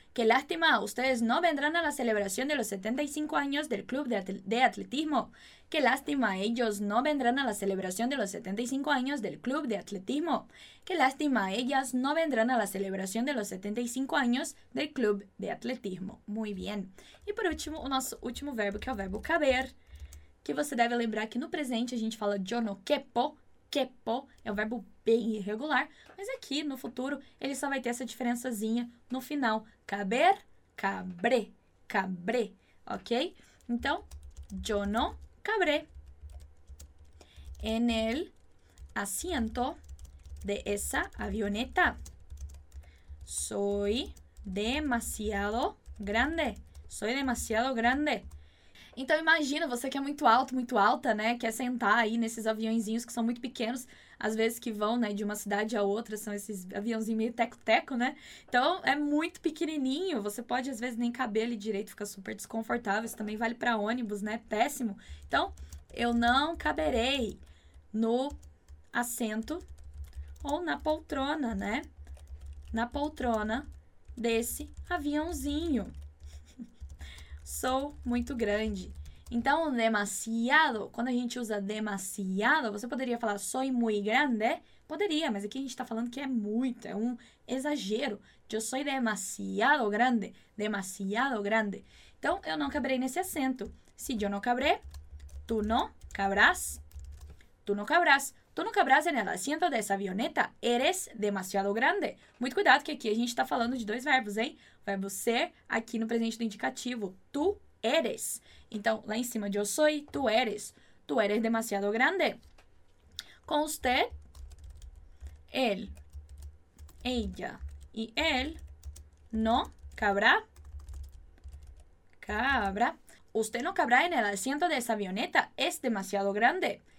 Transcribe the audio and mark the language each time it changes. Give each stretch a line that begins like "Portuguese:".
Spanish: Qué lástima, ustedes no vendrán a la celebración de los 75 años del club de atletismo. Qué lástima, ellos no vendrán a la celebración de los 75 años del club de atletismo. Qué lástima, ellas no vendrán a la celebración de los 75 años del club de atletismo. Muy bien.
Portuguese: Y por último, o nosso último verbo, que é o verbo caber. Que você deve lembrar que no presente a gente fala
Spanish: yo no quepo.
Portuguese: Quepo é um verbo bem irregular, mas aqui no futuro ele só vai ter essa diferençazinha no final.
Spanish: Caber, cabré, cabré, ok? Então, yo no cabré en el asiento de esa avioneta. Soy demasiado grande, soy demasiado grande.
Portuguese: Então, imagina, você que é muito alto, muito alta, né? Quer sentar aí nesses aviãozinhos que são muito pequenos, às vezes que vão, né, de uma cidade a outra, são esses aviãozinhos meio teco-teco, né? Então, é muito pequenininho, você pode, às vezes, nem caber ali direito, fica super desconfortável, isso também vale para ônibus, né? Péssimo. Então, eu não caberei no assento ou na poltrona, né? Na poltrona desse aviãozinho. Sou muito grande. Então, demasiado. Quando a gente usa demasiado, você poderia falar
Spanish: soy muy grande?
Portuguese: Poderia, mas aqui a gente está falando que é muito. É um exagero.
Spanish: Yo soy demasiado grande. Demasiado grande.
Portuguese: Então, eu não cabrei nesse assento.
Spanish: Si yo no cabré, tú no cabrás. Tú no cabrás. Tú no cabrás en el asiento de esa avioneta. Eres demasiado grande.
Portuguese: Muito cuidado, que aqui a gente está falando de dois verbos, hein? Verbo ser, aqui no presente do indicativo.
Spanish: Tu eres.
Portuguese: Então, lá em cima de eu sou, tu eres.
Spanish: Tu eres demasiado grande. Com usted, él, ella y él, No cabrá. Cabra. Usted no cabrá en el asiento de esta avioneta. Es demasiado grande.